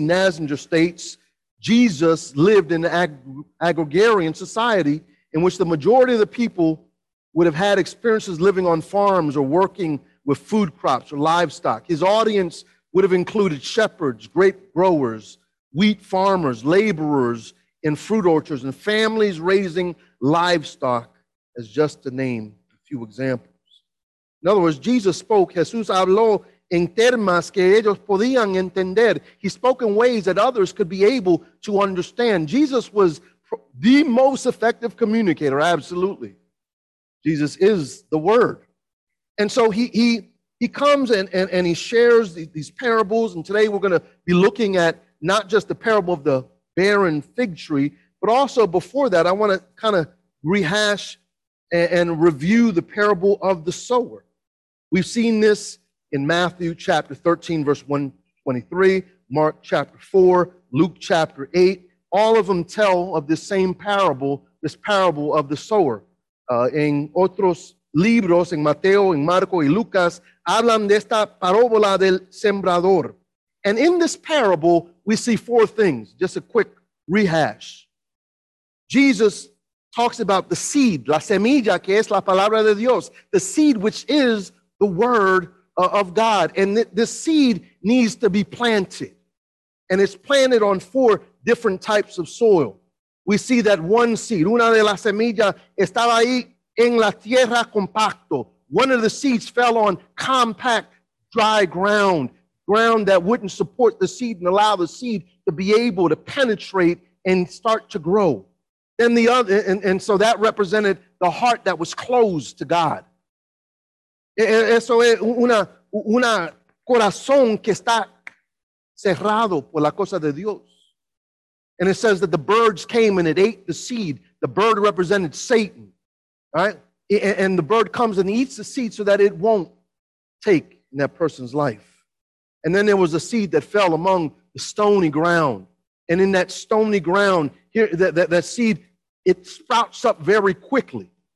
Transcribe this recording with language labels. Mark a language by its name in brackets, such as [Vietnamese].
[English] Nasinger states, Jesus lived in an agrarian society in which the majority of the people would have had experiences living on farms or working with food crops or livestock. His audience would have included shepherds, grape growers, wheat farmers, laborers in fruit orchards, and families raising livestock, as just to name a few examples. In other words, Jesus spoke, [Spanish] Jesús habló en termas que ellos podían entender. [English] He spoke in ways that others could be able to understand. Jesus was the most effective communicator, absolutely. Jesus is the Word. And so he comes and he shares these parables. And today we're going to be looking at not just the parable of the barren fig tree, but also before that, I want to kind of rehash and review the parable of the sower. We've seen this in Matthew chapter 13, verse 123, Mark chapter 4, Luke chapter 8. All of them tell of this same parable, this parable of the sower. [Spanish] En otros libros, en Mateo, en Marco y Lucas, hablan de esta parábola del sembrador. [English] And in this parable, we see four things, just a quick rehash. Jesus talks about the seed, [Spanish] la semilla, que es la palabra de Dios, [English] the seed which is the Word of God. And this seed needs to be planted. And it's planted on four different types of soil. We see that one seed, [Spanish] una de las semillas, estaba ahí en la tierra compacto. [English] One of the seeds fell on compact, dry ground, ground that wouldn't support the seed and allow the seed to be able to penetrate and start to grow. Then the other, and so that represented the heart that was closed to God. [Spanish] Eso es una corazón que está cerrado por la cosa de Dios. [English] And it says that the birds came and it ate the seed. The bird represented Satan, right? And the bird comes and eats the seed so that it won't take in that person's life. And then there was a seed that fell among the stony ground. And in that stony ground, here that seed, it sprouts up very quickly.